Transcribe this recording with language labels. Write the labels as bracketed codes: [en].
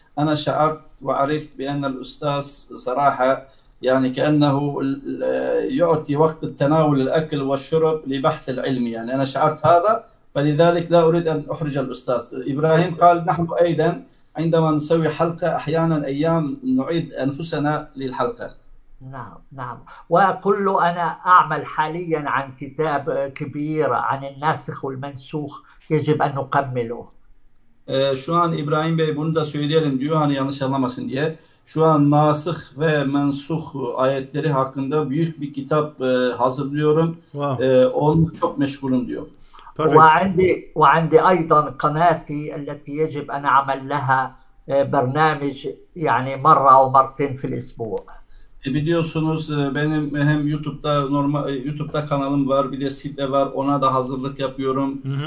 [ar] أنا شعرت وعرفت بأن الأستاذ صراحة يعني كأنه يعطي وقت التناول الأكل والشرب لبحث العلم يعني أنا شعرت هذا فلذلك لا أريد أن أحرج الأستاذ إبراهيم قال نحن أيضا عندما نسوي حلقة أحيانا أيام نعيد أنفسنا للحلقة نعم وكل أنا أعمل حاليا عن كتاب كبير عن الناسخ والمنسوخ يجب أن نكمله. [tr] Şu an İbrahim Bey bunu da söyleyelim diyor, hani yanlış anlamasın diye. Şu an nasıh ve mensuh ayetleri hakkında büyük bir kitap hazırlıyorum. Wow. Onu çok meşgulüm diyor. [ar] Ve عندي ايضا قناتي التي يجب ان اعمل لها برنامج يعني مره او مرتين في الاسبوع. [tr] Biliyorsunuz benim hem YouTube'da normal YouTube'da kanalım var, bir de site var, ona da hazırlık yapıyorum.